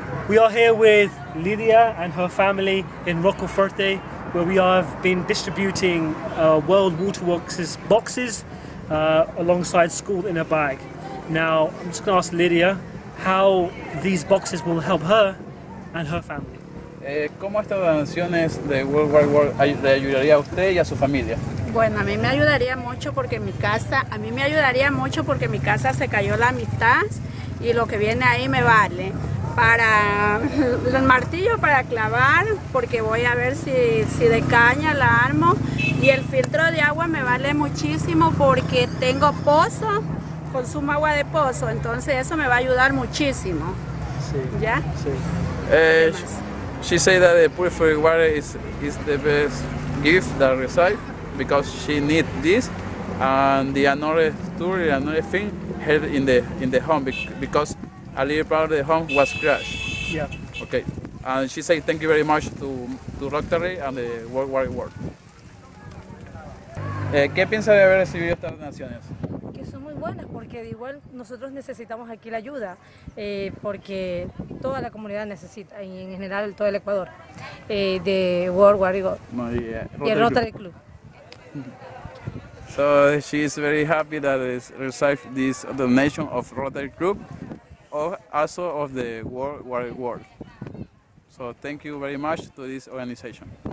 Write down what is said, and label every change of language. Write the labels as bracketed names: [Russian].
[English] We are here with Lydia and her family in Rocafuerte, where we have been distributing World Water Works' boxes alongside school in a bag. Now, I'm just going to ask Lydia how these boxes will help her and her family. [Spanish] ¿Cómo estas donaciones de World Wide World le ayudaría a usted y a su familia? Bueno, a mí me ayudaría mucho porque mi casa se cayó la mitad y lo que viene ahí me vale. Para el martillo para clavar, porque voy a ver si de caña la armo. Y el filtro de agua me vale muchísimo porque tengo pozo, consumo agua de pozo, entonces eso me va a ayudar muchísimo. Sí. ¿Ya? Sí. [English] She said that the purified water is the best gift that resides because she needs this, and the another story, another thing, held in the home because a little part of the home was crushed. Yeah. Okay. And she said thank you very much to Rotary and the World Wide World. [Spanish] ¿Qué piensa de haber recibido estas donaciones? Buenas, porque de igual nosotros necesitamos aquí la ayuda, porque toda la comunidad necesita, y en general todo el Ecuador, de World War Eagle, Rotary y el Rotary Club. [English] So she is very happy that it received this donation of Rotary Club, also of the World War Eagle. So thank you very much to this organization.